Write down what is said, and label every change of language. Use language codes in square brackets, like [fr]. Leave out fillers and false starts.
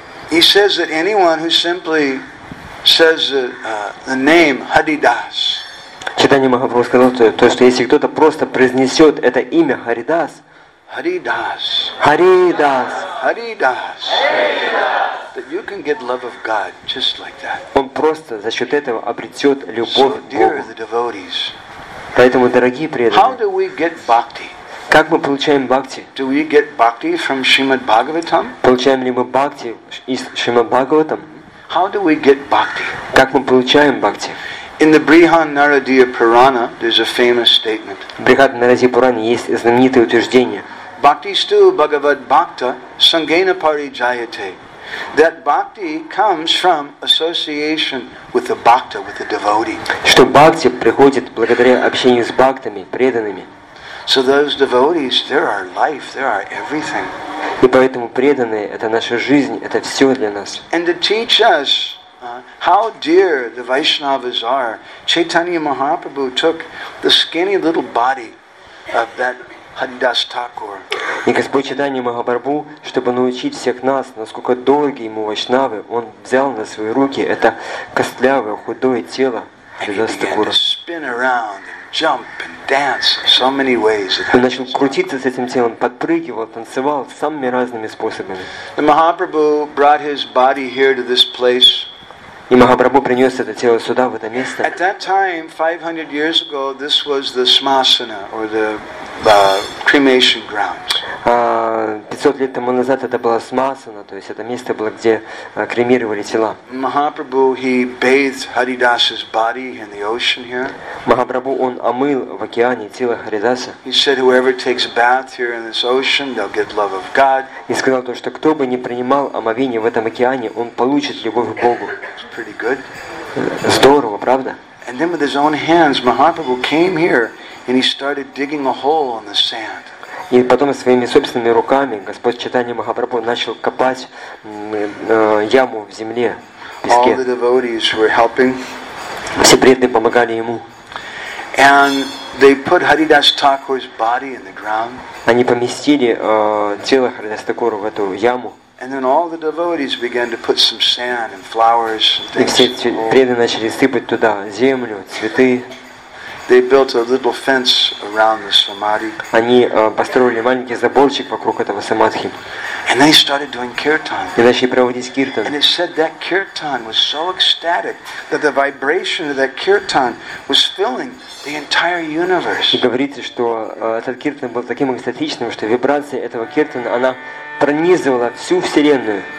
[en] He says that anyone who simply says the name Haridas. [ru] Чайтанья Махапрабху сказал, то, что если кто-то просто произнесет это имя Харидас, Харидас, Харидас, Харидас, Харидас, он просто за счет этого обретет любовь к Богу. Поэтому, дорогие преданные, как мы получаем бхакти? [en] Do we get bhakti from Shrimad Bhagavatam? [ru] Получаем ли мы бхакти из Шримад Бхагаватам? [en] How do we get bhakti? [ru] Как мы получаем бхакти? [en] In the Brihad Naradiya Purana, there's a famous statement. [ru] Брихад Нарадия Пурана есть знаменитое утверждение. [sa] Bhakti stu Bhagavad Bhakta Sangena Parijayate. [en] That bhakti comes from association with the bhakta, with the devotee. [ru] Что бхакти приходит благодаря общению с бхактами, преданными. [en] So those devotees, they're our life, they're our everything. [ru] И поэтому преданные это наша жизнь, это все для нас. [en] And to teach us. How dear the Vaishnavas are! Chaitanya Mahaprabhu took the skinny little body of that Haridas Thakur. [ru] И Господь Чайтанья Махапрабху, чтобы научить всех нас, насколько дороги ему Вайшнавы, он взял на свои руки это костлявое, худое тело Haridas Thakur. [en] And he began to spin around, jump and dance so many ways. [ru] Он начал крутиться с этим телом, подпрыгивал, танцевал самыми разными способами. [en] The Mahaprabhu brought his body here to this place. [ru] И Махапрабху принес это тело сюда, в это место. [en] At that time, 500 years ago, this was the smasana or the cremation grounds. [ru] 500 лет тому назад это было Смасана, то есть это место было, где кремировали тела. [en] Mahaprabhu, he bathed Haridasa's body in the ocean here. [ru] Mahaprabhu, он омыл в океане тело Харидаса. [en] He said, whoever takes a bath here in this ocean, they'll get love of God. [ru] И сказал то, что кто бы не принимал омовение в этом океане, он получит любовь к Богу. [en] It's pretty good. [ru] Здорово, правда? [en] And then with his own hands, Mahaprabhu came here and he started digging a hole on the sand. [ru] И потом своими собственными руками Господь Чайтанья Махапрабху начал копать яму в земле, в песке. [en] All the devotees were helping. [ru] Все преданные помогали ему. [en] And they put Haridas Thakur's body in the ground. [ru] Они поместили тело Харидас Такура в эту яму. [en] And then all the devotees began to put some sand and flowers and things. [ru] И все преданные начали сыпать туда землю, цветы. [en] They built a little fence around the samadhi. [ru] Они построили маленький заборчик вокруг этого самадхи. [en] And they started doing kirtan. [ru] И начали проводить киртан. [en] And it said that kirtan was so ecstatic that the vibration of that kirtan was filling the entire universe. [ru] И говорится, что этот киртан был таким экстатичным, что вибрация этого киртана она пронизывала всю вселенную.